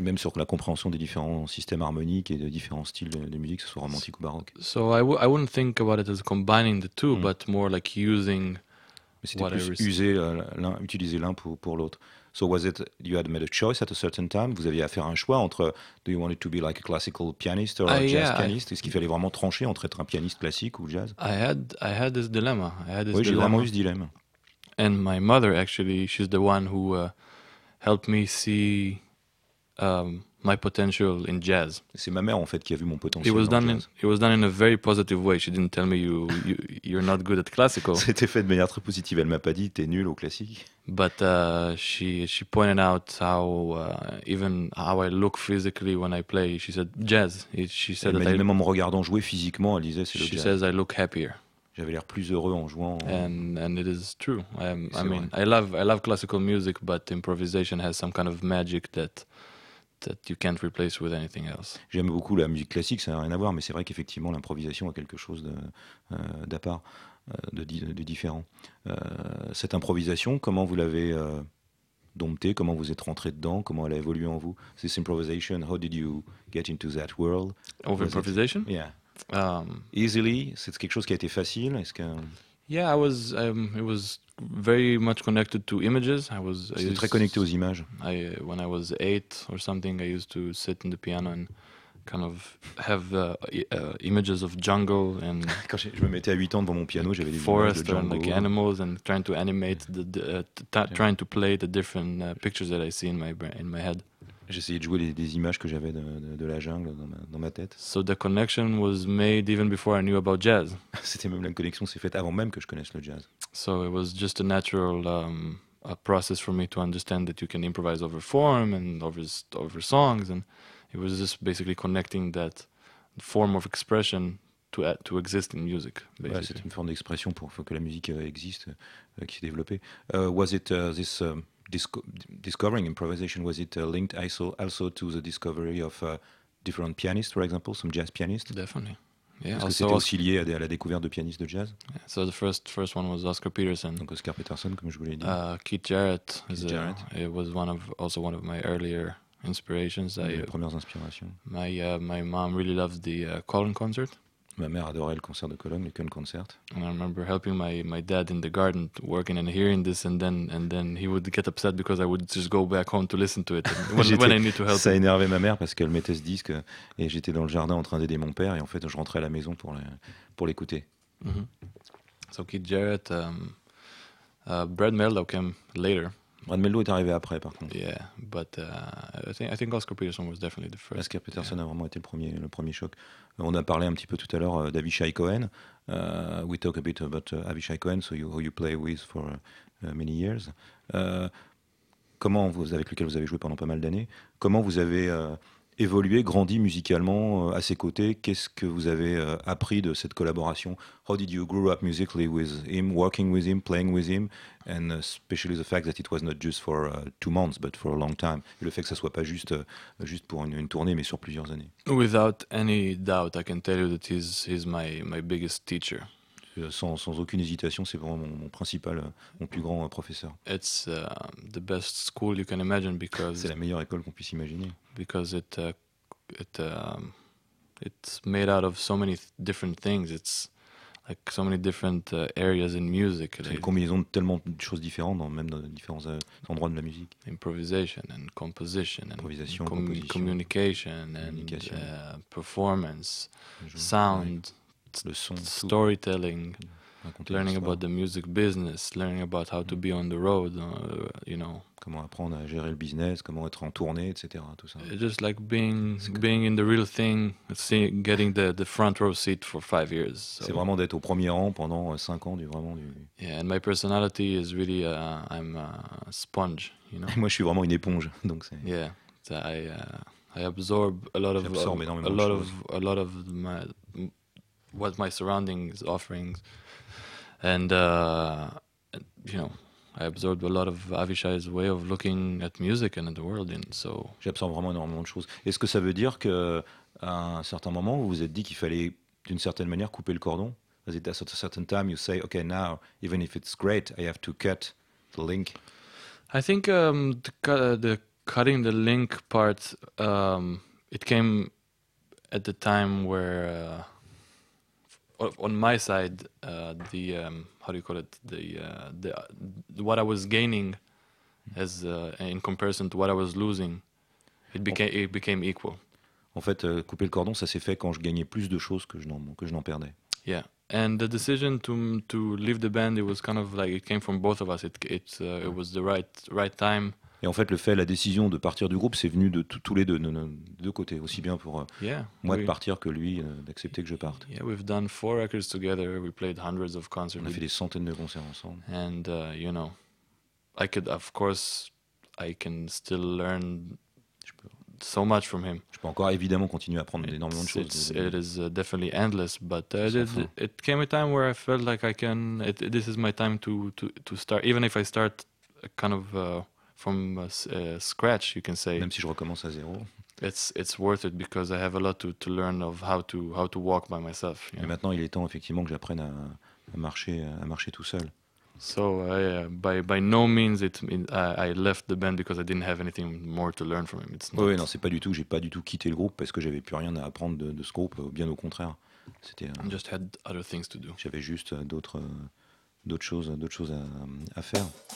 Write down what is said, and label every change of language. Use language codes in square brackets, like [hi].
[fr] Et même sur la compréhension des différents systèmes harmoniques et de différents styles de musique, que ce soit romantique ou baroque. [en] So I wouldn't think about it as combining the two, but more like using. [fr] Mais c'était plus utiliser l'un pour l'autre. [en] So was it you had made a choice at a certain time? [fr] Vous aviez à faire un choix entre [en] do you want it to be like a classical pianist or a jazz pianist? [fr] Est-ce qu'il fallait vraiment trancher entre être un pianiste classique ou jazz? [en] I had this dilemma. [fr] J'ai vraiment eu ce dilemme. [en] And my mother actually, she's the one who helped me see my potential in jazz. [fr] C'est ma mère en fait qui a vu mon potentiel. [en] It was done in a very positive way. She didn't tell me you're not good at classical. [fr] C'était fait de manière très positive. Elle m'a pas dit t'es nul au classique. [en] But she pointed out how even how I look physically when I play. She said jazz. She said [fr] that même en me regardant jouer physiquement, elle disait c'est le jazz. [en] She says I look happier. [fr] J'avais l'air plus heureux en jouant. [en] And it is true. I love classical music, but improvisation has some kind of magic that you can't replace with anything else. [fr] J'aime beaucoup la musique classique, ça n'a rien à voir, mais c'est vrai qu'effectivement l'improvisation a quelque chose d'à part, de différent. Cette improvisation, comment vous l'avez domptée? Comment vous êtes rentré dedans? Comment elle a évolué en vous? [en] This improvisation, how did you get into that world? Of improvisation? Yeah. [fr] Easily, c'est quelque chose qui a été facile, est-ce que... [en] Yeah, I was. It was very much connected to images. [fr] C'était très connecté aux images. [en] When I was 8 or something, I used to sit in the piano and kind of have images of jungle and. [fr] Quand je me mettais à 8 ans devant mon piano, j'avais des [en] forest [fr] images de jungle. [en] And like animals and trying to animate trying to play the different pictures that I see in my brain, in my head. [fr] J'essayais de jouer des images que j'avais de la jungle dans ma tête. [en] So the connection was made even before I knew about jazz. [fr] C'était même la connexion s'est faite avant même que je connaisse le jazz. [en] So it was just a natural process for me to understand that you can improvise over form and over songs, and it was just basically connecting that form of expression to exist in music. Basically. [fr] Ouais, c'est une forme d'expression pour que la musique existe, qui s'est développée. [en] Was it this discovering improvisation, was it linked also to the discovery of different pianists, for example, some jazz pianists? Definitely. [fr] Yeah, est-ce que c'était aussi lié à la découverte de pianistes de jazz? [en] So the first one was Oscar Peterson. [fr] Donc Oscar Peterson, comme je vous l'ai dit. [en] Keith Jarrett. Keith Jarrett. It was one of my earlier inspirations. [fr] Les premières inspirations. [en] My mom really loved the Cologne concert. [fr] Ma mère adorait le concert de Cologne, le Köln concert. [en] And I remember helping my dad in the garden working and hearing this and then he would get upset because I would just go back home to listen to it when I need to help. [fr] Ça énervait ma mère parce qu'elle mettait ce disque et j'étais dans le jardin en train d'aider mon père et en fait je rentrais à la maison pour l'écouter. [en] Mm-hmm. So Keith Jarrett, Brad Mehldau came later. [fr] Brad Mehldau est arrivé après par contre. [en] Yeah, but I think Oscar Peterson was definitely the first. [fr] Oscar Peterson a vraiment été le premier choc. On a parlé un petit peu tout à l'heure d'Avishai Cohen. [en] We talk a bit about Avishai Cohen, who you play with for many years. [fr] Avec lequel vous avez joué pendant pas mal d'années, comment vous avez évolué, grandi musicalement à ses côtés? Qu'est-ce que vous avez appris de cette collaboration? [en] How did you grow up musically with him, working with him, playing with him, and especially the fact that it was not just for 2 months, but for a long time? [fr] Et le fait que ça soit pas juste pour une tournée, mais sur plusieurs années. [en] Without any doubt, I can tell you that he's my biggest teacher. [fr] Sans aucune hésitation, c'est vraiment mon plus grand professeur. [en] It's the best school you can imagine because [fr] c'est la meilleure école qu'on puisse imaginer. [en] Because it's made out of so many different things. It's like so many different areas in music. [fr] C'est une combinaison de tellement de choses différentes, même dans différents endroits de la musique. [en] Improvisation and composition and improvisation, communication and performance, sound. Ouais. [fr] Le son, [en] storytelling, learning about the music business, learning about how to be on the road, you know. [fr] Comment apprendre à gérer le business, comment être en tournée, etc. Tout ça. [en] It's just like being in the real thing, getting the front row seat for 5 years. So. [fr] C'est vraiment d'être au premier rang pendant 5 ans du. [en] Yeah, and my personality is really I'm a sponge, you know. [fr] Et moi, je suis vraiment une éponge, donc c'est. [en] Yeah, so I absorb a lot of my. What my surroundings offerings, and you know, I absorbed a lot of Avishai's way of looking at music and at the world. And so, [fr] j'absorbe vraiment énormément de choses. Est-ce que ça veut dire que à un certain moment vous vous êtes dit qu'il fallait d'une certaine manière couper le cordon? [en] Is it at a certain time you say, okay, now even if it's great, I have to cut the link? I think the cutting the link part, it came at the time where. On my side, what I was gaining as in comparison to what I was losing, it became equal. [fr] En fait, couper le cordon, ça s'est fait quand je gagnais plus de choses que je n'en perdais. [en] Yeah, and the decision to leave the band, it was kind of like it came from both of us. It was the right time. [fr] Et en fait, la décision de partir du groupe, c'est venu de tous les deux côtés, aussi bien pour moi de partir que lui d'accepter que je parte. [en] Yeah, we've done 4 records together. We played hundreds of concerts. [fr] On a fait des centaines de concerts ensemble. [en] And you know, I could, of course, I can still learn so much from him. [fr] Je peux encore évidemment continuer à apprendre énormément de choses. [en] It is definitely endless, but it came a time where I felt like I can. This is my time to start, even if I start kind of. From scratch, you can say. [fr] Même si je recommence à zéro. [en] It's worth it because I have a lot to learn of how to walk by myself. Et know? [fr] Maintenant, il est temps effectivement que j'apprenne à marcher tout seul. [en] So by no means I left the band because I didn't have anything more to learn from him. It's not. [fr] Oui, non, c'est pas du tout. J'ai pas du tout quitté le groupe parce que j'avais plus rien à apprendre de ce groupe. Bien au contraire, c'était. [en] I just had other things to do. [fr] J'avais juste d'autres choses à faire.